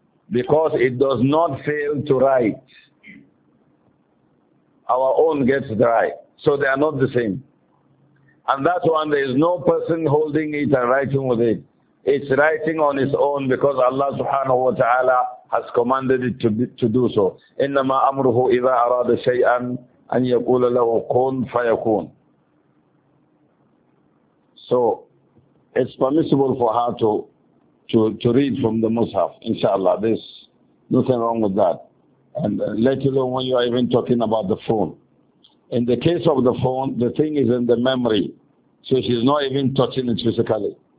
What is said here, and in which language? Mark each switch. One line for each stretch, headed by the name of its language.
English: Because it does not fail to write. Our own gets dry. So they are not the same. And that one, there is no person holding it and writing with it. It's writing on its own because Allah subhanahu wa ta'ala has commanded it to do so.
Arabic: إِنَّمَا أَمْرُهُ إِذَا أَرَادَ شَيْئًا أَنْ يَقُولَ لَهُ كُنْ فَيَكُونَ.
English: So, it's permissible for her to read from the Mus'haf, inshallah. There's nothing wrong with that. And let alone when you are even talking about the phone. In the case of the phone, the thing is in the memory. So she's not even touching it physically.